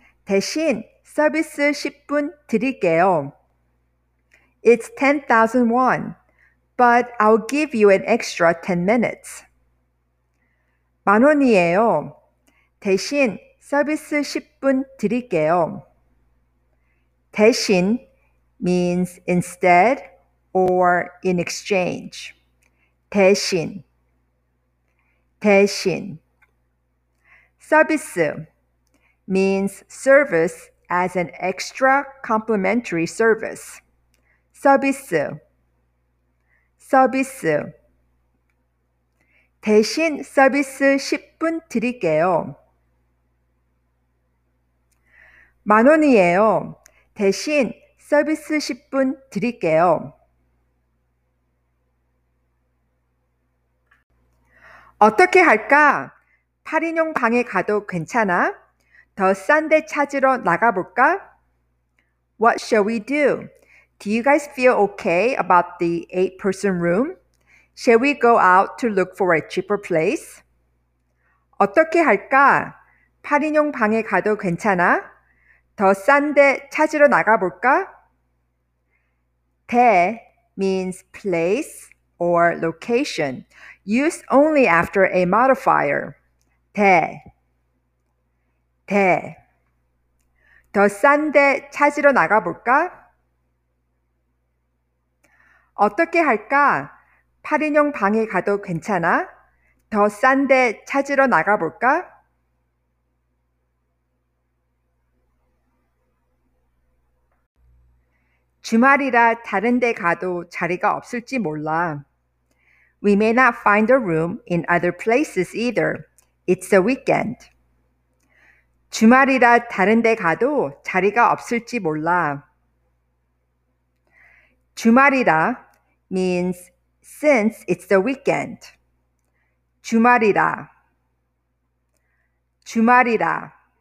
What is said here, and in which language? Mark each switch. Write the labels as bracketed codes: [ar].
[ko] 대신 서비스 10분 드릴게요. [en] It's 10,000 won, but I'll give you an extra 10 minutes. [ko] 10,000원이에요. 대신 서비스 10분 드릴게요. [en] 대신 means instead or in exchange. [ko] 대신 대신 [en] 서비스 means service as an extra complimentary service. [ko] 서비스 서비스 대신 서비스 10분 드릴게요. 만 원이에요. 대신 서비스 10분 드릴게요. "어떻게 할까? 8인용 방에 가도 괜찮아? 더 싼 데 찾으러 나가볼까?" [en] What shall we do? Do you guys feel okay about the 8-person room? Shall we go out to look for a cheaper place? [ko] 어떻게 할까? 8인용 방에 가도 괜찮아? 더 싼 데 찾으러 나가볼까? [en] 대 means place or location, used only after a modifier. [ko] 대 대 더 싼 데 찾으러 나가볼까? 어떻게 할까? 8인용 방에 가도 괜찮아? 더 싼 데 찾으러 나가볼까? "주말이라 다른 데 가도 자리가 없을지 몰라. [en] We may not find a room in other places either. It's a weekend. [ko] 주말이라 다른 데 가도 자리가 없을지 몰라. [en] 주말이라 means since it's the weekend. [ko] 주말이라 주말이라